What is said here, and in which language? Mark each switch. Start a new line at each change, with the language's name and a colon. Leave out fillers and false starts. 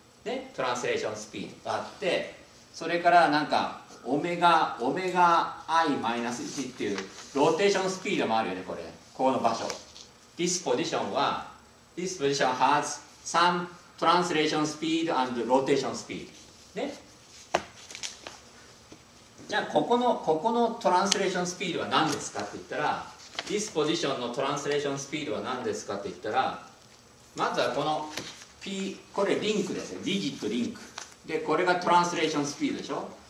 Japanese: ね、トランスレーションスピードがあって、それからなんか、オメガ i-1 っていうローテーションスピードもあるよね、これ。この場所。
English: This position has some translation speed and rotation speed。
Japanese: ね。じゃあ、ここのトランスレーションスピードは何ですかって言ったら、 this position のトランスレーションスピードは何ですかって言ったら、まずはこの P、 これリンクですね、ディジットリンクで、これがトランスレーションスピードでしょ。